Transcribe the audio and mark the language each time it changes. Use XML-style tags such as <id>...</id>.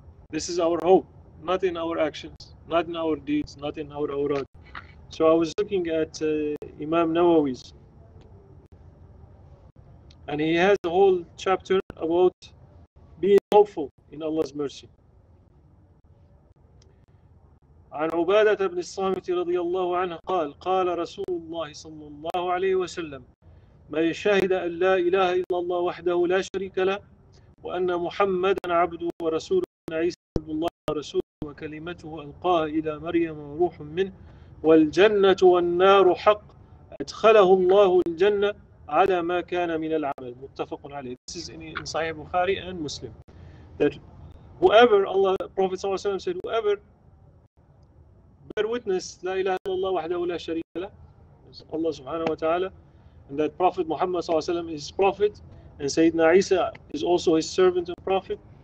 <en>This is our hope, not in our actions, not in our deeds, not in our awrad. So I was looking at Imam Nawawi's, and he has a whole chapter about being hopeful in Allah's mercy.</en> <ar>عن عبادة بن الصامت رضي الله عنه قال قال رسول الله صلى الله عليه وسلم من شهد أن لا إله إلا الله وحده لا شريك له وأن محمدا عبده ورسوله وأن عيسى ابن الله ورسوله وكلمته ألقاها إلى مريم وروح منه والجنة والنار حق أدخله الله الجنة على ما كان من العمل متفق عليه.</ar> <en>This is in Sahih Bukhari and Muslim, that whoever Allah, Prophet</en> <ar>صلى الله عليه وسلم</ar> <en>said, whoever bear witness</en> <ar>لا إله إلا الله وحده لا شريك له,</ar> <en>Allah</en> <ar>سبحانه وتعالى,</ar> <en>and that Prophet Muhammad صلى الله عليه وسلم is Prophet, and Sayyidina Isa is also his servant and Prophet,</en>